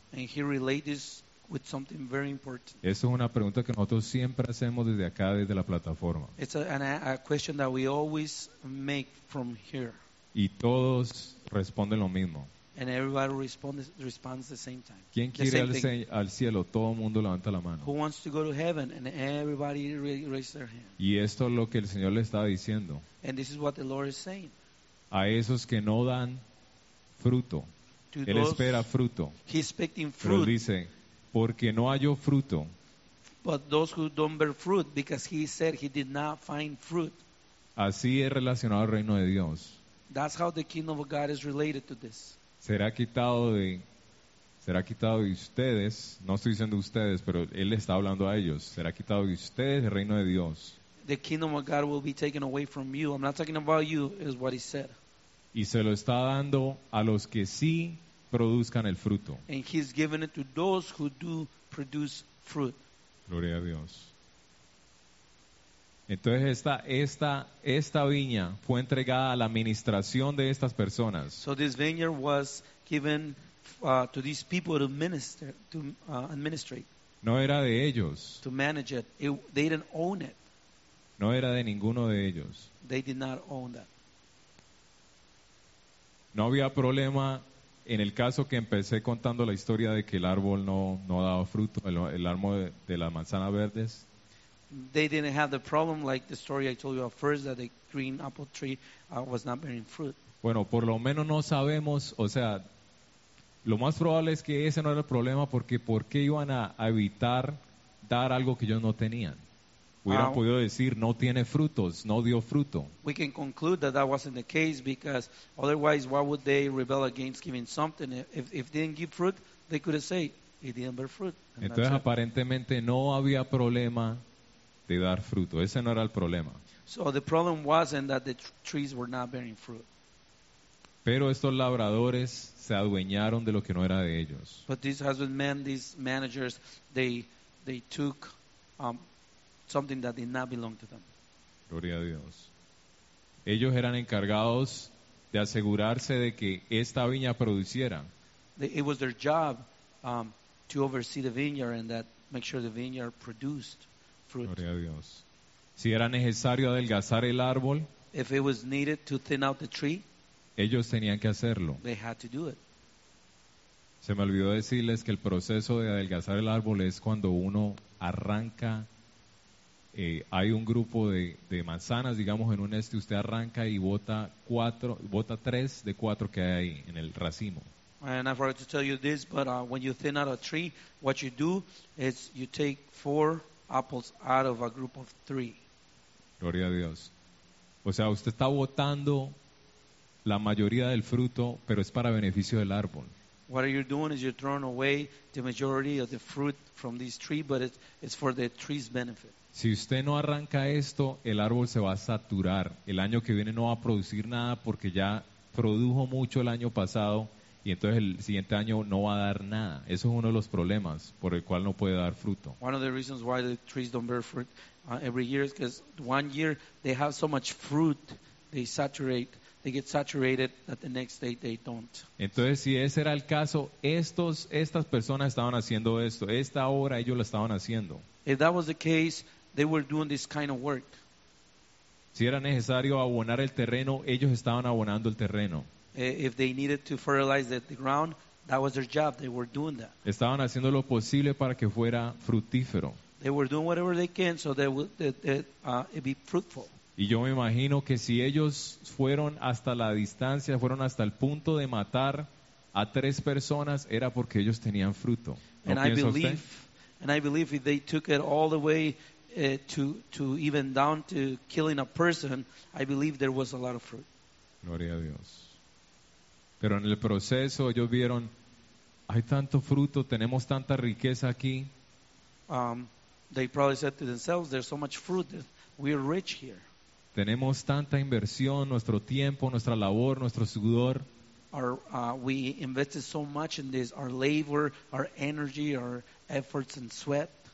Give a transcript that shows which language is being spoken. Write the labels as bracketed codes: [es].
[en] And he related this with something very important. [es] Esa es una pregunta que nosotros siempre hacemos desde acá, desde la plataforma. [en] It's a question that we always make from here. [es] Y todos responden lo mismo. [en] And everybody responds the same time. [es] ¿Quién quiere al cielo? Todo el mundo levanta la mano. [en] Who wants to go to heaven? And everybody raises their hand. [es] Y esto es lo que el Señor le está diciendo. [en] And this is what the Lord is saying. [es] A esos que no dan fruto. [en] To [es] él [en] those, [es] espera fruto. [en] He's expecting fruit. [es] Pero dice, porque no halló fruto. [en] But those who don't bear fruit, because he said he did not find fruit. [es] Así es relacionado al reino de Dios. [en] That's how the kingdom of God is related to this. [es] Será quitado de ustedes. No estoy diciendo ustedes, pero él está hablando a ellos. Será quitado de ustedes el reino de Dios. [en] The kingdom of God will be taken away from you. I'm not talking about you, is what he said. [es] Y se lo está dando a los que sí produzcan el fruto. [en] And he's giving it to those who do produce fruit. [es] Gloria a Dios. Entonces esta viña fue entregada a la administración de estas personas. [en] So this vineyard was given to these people to minister, to administrate. [es] No era de ellos. [en] To manage it. They didn't own it. [es] No era de ninguno de ellos. [en] They did not own that. [es] No había problema en el caso que empecé contando la historia de que el árbol no daba fruto, el árbol de las manzanas verdes. [en] They didn't have the problem like the story I told you at first that the green apple tree was not bearing fruit. [es] Bueno, por lo menos no sabemos, o sea, lo más probable es que ese no era el problema porque ¿por qué iban a evitar dar algo que ellos no tenían? Hubieran podido decir no tiene frutos, no dio fruto. [en] We can conclude that that wasn't the case because otherwise why would they rebel against giving something? If they didn't give fruit, they could have said it didn't bear fruit. [es] Entonces aparentemente no había problema de dar fruto. Ese no era el problema. [en] So the problem wasn't that the trees were not bearing fruit. [es] Pero estos labradores se adueñaron de lo que no era de ellos. [en] But these husbandmen, these managers, they took something that did not belong to them. [es] Gloria a Dios. Ellos eran encargados de asegurarse de que esta viña produciera. [en] It was their job to oversee the vineyard and that make sure the vineyard produced fruit. [es] Gloria a Dios. Si era necesario adelgazar el árbol, [en] if it was needed to thin out the tree, [es] ellos tenían que hacerlo. [en] They had to do it. [es] Se me olvidó decirles que el proceso de adelgazar el árbol es cuando uno arranca. Hay un grupo de manzanas, digamos, en un este. Usted arranca y bota tres de cuatro que hay ahí en el racimo. [en] And I forgot to tell you this, but when you thin out a tree, what you do is you take four apples out of a group of three. [es] Gloria a Dios. O sea, usted está botando la mayoría del fruto, pero es para beneficio del árbol. [en] What you're doing is you're throwing away the majority of the fruit from this tree, but it's for the tree's benefit. [es] Si usted no arranca esto, el árbol se va a saturar. El año que viene no va a producir nada porque ya produjo mucho el año pasado y entonces el siguiente año no va a dar nada. Eso es uno de los problemas por el cual no puede dar fruto. [en] One of the reasons why the trees don't bear fruit every year is because one year they have so much fruit, they get saturated that the next day they don't. [es] Entonces, si ese era el caso, estas personas estaban haciendo esto. Esta obra ellos la estaban haciendo. [en] If that was the case, they were doing this kind of work. [es] Si era necesario abonar el terreno, ellos estaban abonando el terreno. [en] If they needed to fertilize the ground, that was their job. They were doing that. [es] Estaban haciendo lo posible para que fuera fructífero. [en] They were doing whatever they can so that it'd be fruitful. [es] Y yo me imagino que si ellos fueron hasta la distancia, fueron hasta el punto de matar a tres personas, era porque ellos tenían fruto. ¿No piensa usted? [en] And I believe if they took it all the way to even down to killing a person, I believe there was a lot of fruit. [es] Gloria a Dios. Pero en el proceso ellos vieron, hay tanto fruto, tenemos tanta riqueza aquí. [en] They probably said to themselves, there's so much fruit, we are rich here. [es] Tenemos tanta inversión, nuestro tiempo, nuestra labor, nuestro sudor. [en] We invested so much in this, our labor, our energy, our efforts and sweat.